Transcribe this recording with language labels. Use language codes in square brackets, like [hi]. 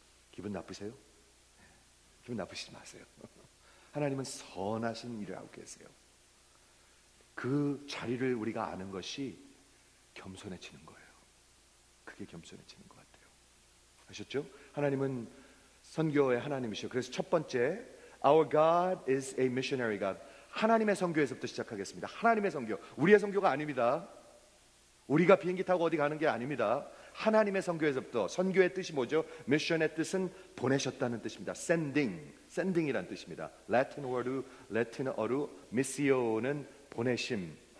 [ko] 기분 나쁘세요? 기분 나쁘시지 마세요. 하나님은 선하신 일을 하고 계세요. 그 자리를 우리가 아는 것이 겸손해지는 거예요. 그게 겸손해지는 것 같아요. 아셨죠? 하나님은 선교의 하나님이시요. 그래서 첫 번째, [en] Our God is a missionary God. [ko] 하나님의 선교에서부터 시작하겠습니다. 하나님의 선교. 우리의 선교가 아닙니다. 우리가 비행기 타고 어디 가는 게 아닙니다. 하나님의 선교에서부터. 선교의 뜻이 뭐죠? 미션의 뜻은 보내셨다는 뜻입니다. Sending. Sending이란 뜻입니다. Latin어로 missio는 보내심.